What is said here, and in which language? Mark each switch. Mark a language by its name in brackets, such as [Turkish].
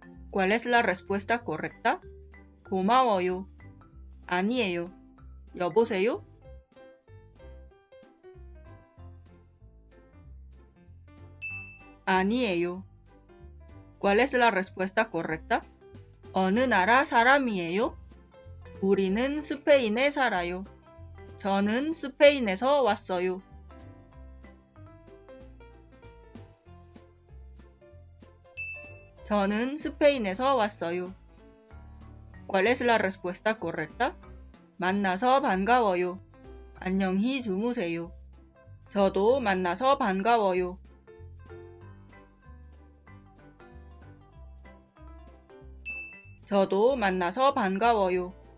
[Spanish] ¿Cuál es la respuesta correcta? [Korean] 고마워요. 아니에요. 여보세요? 아니에요. [Spanish] ¿Cuál es la respuesta correcta? [Korean] 어느 나라 사람이에요? 우리는 스페인에 살아요. 저는 스페인에서 왔어요. 저는 스페인에서 왔어요. [Spanish] ¿Cuál es la respuesta correcta? [Korean] 만나서 반가워요. 안녕히 주무세요. 저도 만나서 반가워요. 저도 만나서 반가워요.